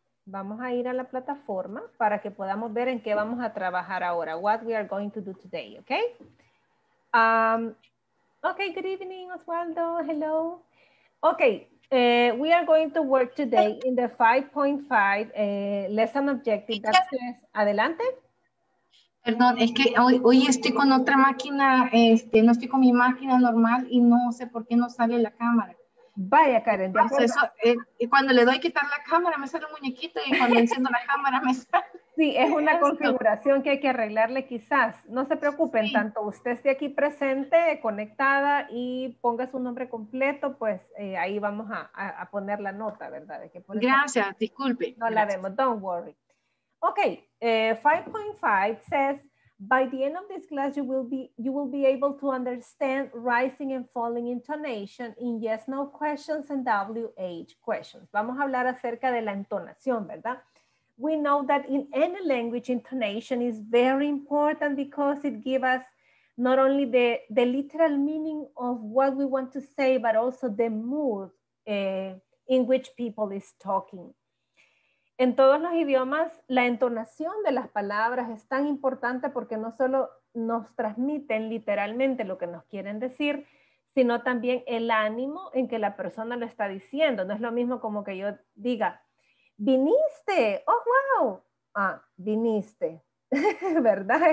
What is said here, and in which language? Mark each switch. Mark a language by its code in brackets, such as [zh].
[es] Vamos a ir a la plataforma para que podamos ver en qué vamos a trabajar ahora. [en] What we are going to do today, okay? Okay, good evening, Oswaldo. Hello. Okay. We are going to work today in the 5.5 lesson objective. That says, [es] adelante. Perdón, es que hoy estoy con otra máquina, no estoy con mi máquina normal y no sé por qué no sale la cámara. Vaya, Karen. Cuando le doy quitar la cámara me sale un muñequito y cuando enciendo la cámara me sale. Sí, es una configuración que hay que arreglarle quizás. No se preocupen, tanto usted esté aquí presente, conectada y ponga su nombre completo, pues ahí vamos a poner la nota, ¿verdad? De que pone gracias, la... disculpe. No gracias. La vemos, [en] don't worry. Ok, 5.5 says, by the end of this class, you will be able to understand rising and falling intonation in yes, no questions and WH questions. [es] Vamos a hablar acerca de la entonación, ¿verdad? [en] We know that in any language, intonation is very important because it gives us not only the literal meaning of what we want to say, but also the mood in which people is talking. [es] En todos los idiomas, la entonación de las palabras es tan importante porque no solo nos transmiten literalmente lo que nos quieren decir, sino también el ánimo en que la persona lo está diciendo. No es lo mismo como que yo diga, viniste, oh wow, ah, viniste, ¿verdad?